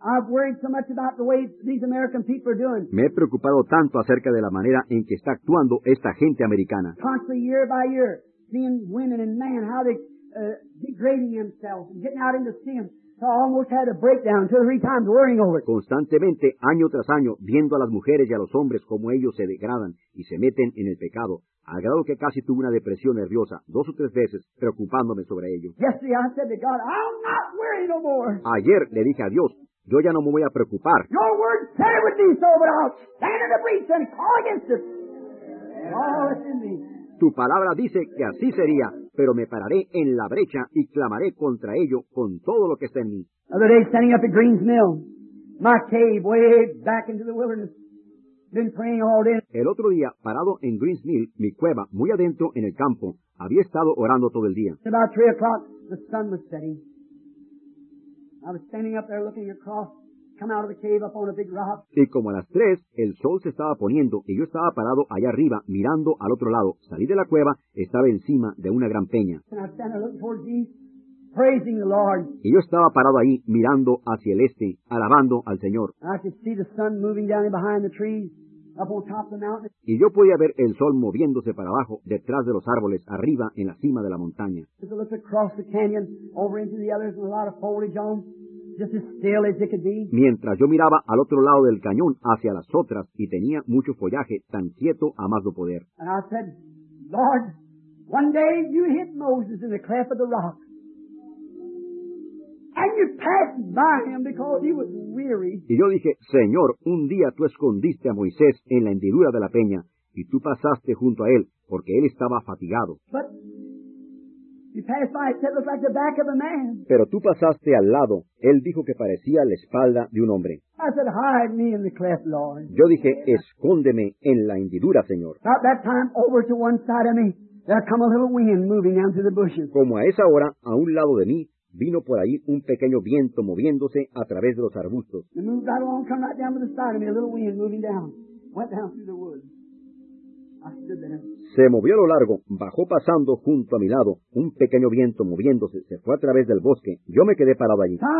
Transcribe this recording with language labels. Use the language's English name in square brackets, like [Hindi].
[English] I've worried so much about the way these American people are doing. [Spanish] Me he preocupado tanto acerca de la manera en que está actuando esta gente americana. [English] Constantly, year by year, seeing women and men, how they degrading themselves and getting out into sin. So I almost had a breakdown two or three times worrying over it. [Spanish] Constantemente, año tras año, viendo a las mujeres y a los hombres como ellos se degradan y se meten en el pecado, al grado que casi tuve una depresión nerviosa dos o tres veces preocupándome sobre ello. [English] Yesterday I said to God, I'll not worry no more. [Spanish] Ayer le dije a Dios, yo ya no me voy a preocupar. [English] Your word said it would be so, but I'll stand in the breach and call against it. All that's in me. [Spanish] Tu palabra dice que así sería, pero me pararé en la brecha y clamaré contra ello con todo lo que está en mí. [English] The other day, standing up at Green's Mill, my cave way back into the wilderness, been praying all day. [Spanish] El otro día, parado en Green's Mill, mi cueva, muy adentro en el campo, había estado orando todo el día. [English] It's about 3 o'clock, the sun was setting. I was standing up there looking across. Come out of the cave up on a big rock. [Spanish] Y como a las 3, el sol se estaba poniendo y yo estaba parado allá arriba, mirando al otro lado. Salí de la cueva, estaba encima de una gran peña. [English] And I stand and look towards east, praising the Lord. [Spanish] Y yo estaba parado ahí, mirando hacia el este, alabando al Señor. [English] I could see the sun moving down behind the trees, up on top of the mountain. [Spanish] Y yo podía ver el sol moviéndose para abajo, detrás de los árboles, arriba en la cima de la montaña. [English] I could look across the canyon, over into the others with a lot of foliage on. Just as still as it could be. [Spanish] Mientras yo miraba al otro lado del cañón hacia las otras y tenía mucho follaje tan quieto a más no poder. [English] And I said, Lord, one day you hit Moses in the cleft of the rock. And you passed by him because he was weary. [Spanish] Y yo dije, Señor, un día tú escondiste a Moisés en la hendidura de la peña y tú pasaste junto a él porque él estaba fatigado. [English] But you passed by, it looked like the back of a man. [Spanish] Pero tú pasaste al lado. Él dijo que parecía la espalda de un hombre. [English] I said, hide me in the cleft, Lord. [Spanish] Yo dije, escóndeme en la hendidura, Señor. [English] About that time, over to one side of me, there come a little wind moving down through the bushes. [Spanish] Como a esa hora, a un lado de mí, vino por ahí un pequeño viento moviéndose a través de los arbustos. [English] It moved right along, come right down to the side of me, a little wind moving down, went down through the woods. [Spanish] Se movió a lo largo, bajó pasando junto a mi lado, un pequeño viento moviéndose, se fue a través del bosque, yo me quedé parado allí.